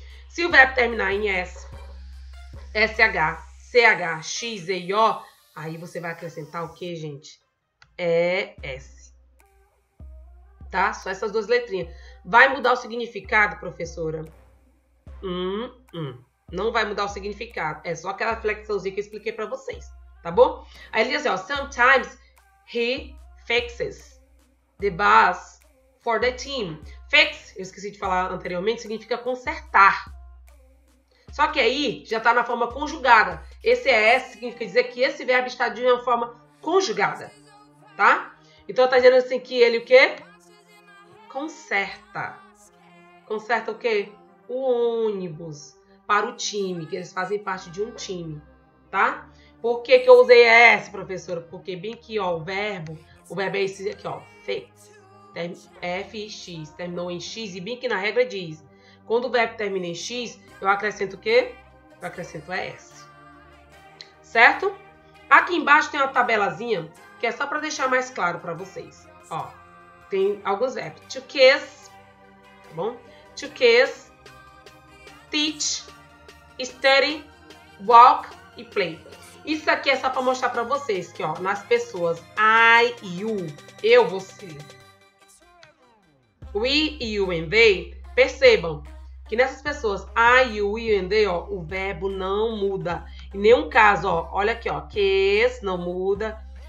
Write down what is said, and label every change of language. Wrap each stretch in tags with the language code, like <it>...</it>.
<pt>Se o verbo terminar em S, SH, CH, X, E, I, O, aí você vai acrescentar o que, gente? ES. Tá? Só essas duas letrinhas. Vai mudar o significado, professora? Não vai mudar o significado. É só aquela flexãozinha que eu expliquei pra vocês, tá bom? Aí ele diz assim, ó,</pt> <en>sometimes he fixes the bus for the team.</en> <pt>Fix, eu esqueci de falar anteriormente, significa consertar. Só que aí, já tá na forma conjugada. Esse S significa dizer que esse verbo está de uma forma conjugada, tá? Então, tá dizendo assim que ele o quê? Conserta. Conserta o quê? O ônibus para o time, que eles fazem parte de um time, tá? Por que que eu usei S, professora? Porque bem aqui, ó, o verbo é esse aqui, ó, fix. F e X, terminou em X, e bem que na regra diz, quando o verbo termina em X, eu acrescento o quê? Eu acrescento ES. Certo? Aqui embaixo tem uma tabelazinha, que é só para deixar mais claro para vocês. Ó, tem alguns verbos. To kiss, tá bom? To kiss, teach, study, walk e play. Isso aqui é só para mostrar para vocês, que ó, nas pessoas I, you, eu, você, we, you and they, percebam, Que nessas pessoas, I, you, you and they, ó, o verbo não muda. Em nenhum caso, ó, olha aqui, ó, case não muda.</pt>